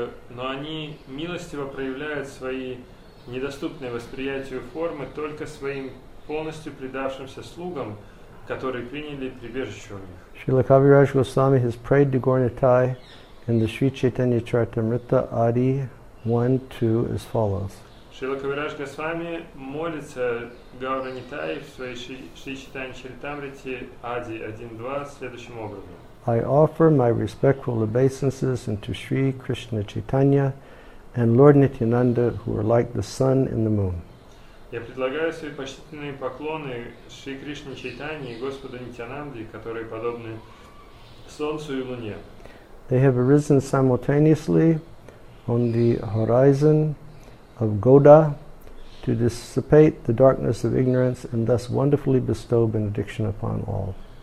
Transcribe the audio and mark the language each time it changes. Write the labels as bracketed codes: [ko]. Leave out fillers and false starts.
[ru] Но они милостиво проявляют свои недоступные восприятию формы только своим полностью предавшимся слугам, которые приняли прибежище у них. [en] Srila Kaviraj Goswami has prayed to Gaur Nitai in the Sri Chaitanya Charitamrita Adi 1-2 as follows. [ru] Шрила Кавираж Госвами молится Гаура Нитай в своей Шри Читани Чаритамрите Ади 1-2 следующим образом. [en] I offer my respectful obeisances unto Sri Krishna Chaitanya and Lord Nityananda, who are like the sun and the moon. [ru] Я предлагаю свои почтительные поклоны Шри Кришне Чайтанье и Господу Нитянанде, которые подобны солнцу и луне. [en] They have arisen simultaneously on the horizon of Goda to dissipate the darkness of ignorance and thus wonderfully bestow benediction upon all.